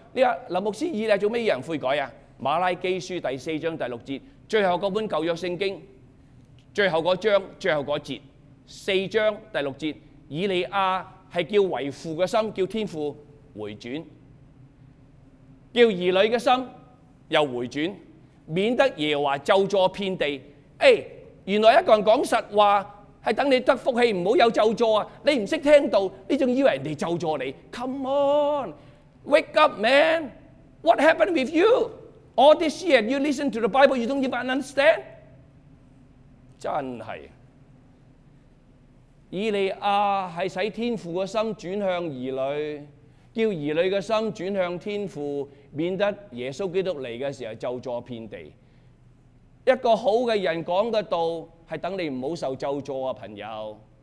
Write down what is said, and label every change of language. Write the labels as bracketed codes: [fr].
[zh] 你说林牧师以利亚做什么人悔改啊？马拉基书第四章第六节，最后那本旧约圣经，最后那章，最后那节，四章第六节，以利亚是叫为父的心，叫天父回转，叫儿女的心又回转，免得耶和华咒诅遍地。哎，原来一个人讲实话是等你得福气，不要有咒诅啊！你不懂听到，你还以为人家咒诅你。 [en] Come on， wake up man， what happened with you all this year？ You listen to the Bible， you don't even understand。 [zh] 真是以利亚是使天父的心转向儿女，叫儿女的心转向天父，免得耶稣基督来的时候咒诅遍地。一个好的人讲的道是等你不要受咒诅啊，朋友。